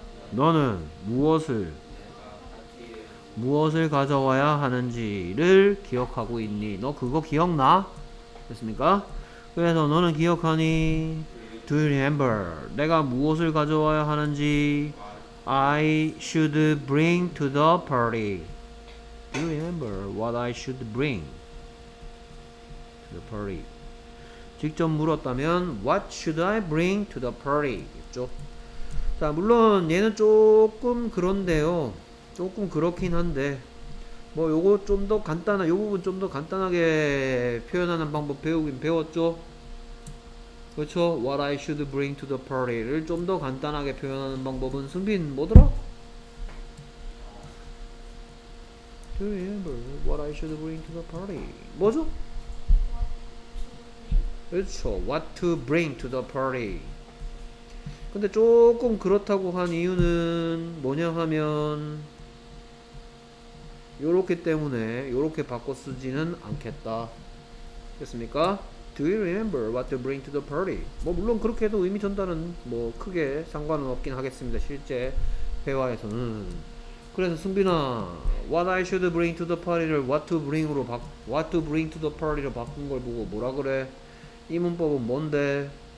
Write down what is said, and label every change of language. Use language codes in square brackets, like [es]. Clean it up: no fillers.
[ko] 너는 무엇을 가져와야 하는지를 기억하고 있니? 너 그거 기억나? 됐습니까? 그래서 너는 기억하니? [en] Do you remember? [ko] 내가 무엇을 가져와야 하는지? [en] I should bring to the party. Do you remember what I should bring to the party? [ko] 직접 물었다면, [en] What should I bring to the party? [ko] 겠죠? 자, 물론 얘는 조금 그런데요. 조금 그렇긴 한데, 요거 좀더 간단한, 요 부분 좀더 간단하게 표현하는 방법 배우긴 배웠죠? 그렇죠? [en] What I should bring to the party [ko] 를 좀더 간단하게 표현하는 방법은 승빈 뭐더라? [en] Do you remember what I should bring to the party? [ko] 뭐죠? 그렇죠? [en] What to bring to the party? [ko] 근데 조금 그렇다고 한 이유는 뭐냐 하면, 요렇게 때문에 요렇게 바꿔 쓰지는 않겠다. 됐습니까? [en] Do you remember what to bring to the party? [ko] 물론 그렇게 해도 의미 전달은 크게 상관은 없긴 하겠습니다. 실제 회화에서는. 그래서 승빈아, [en] what I should bring to the party [ko] 를 [en] what to bring to the party [ko] 로 바꾼 걸 보고 뭐라 그래? 이 문법은 뭔데?